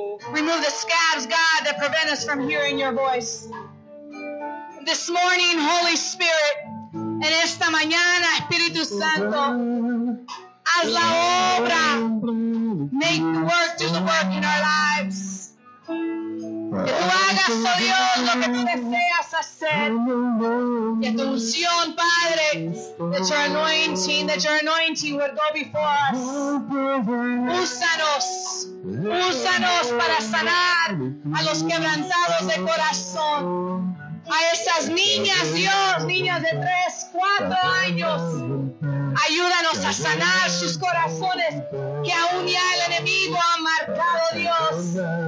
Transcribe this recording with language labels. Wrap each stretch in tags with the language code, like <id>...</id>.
<en>Remove the scabs, God, that prevent us from hearing your voice. This morning, Holy Spirit,</en> <es>en esta mañana, Espíritu Santo, haz la obra.</es> <en>Make the work, do the work in our lives.</en> <es>Que tú hagas, oh Dios, lo que tú deseas hacer. Que tu unción, Padre,</es> <en>that your anointing would go before us.</en> <es>Úsanos, úsanos para sanar a los quebrantados de corazón. A esas niñas, Dios, niñas de 3-4 años. Ayúdanos a sanar sus corazones que aún ya el enemigo ha marcado, Dios.</es>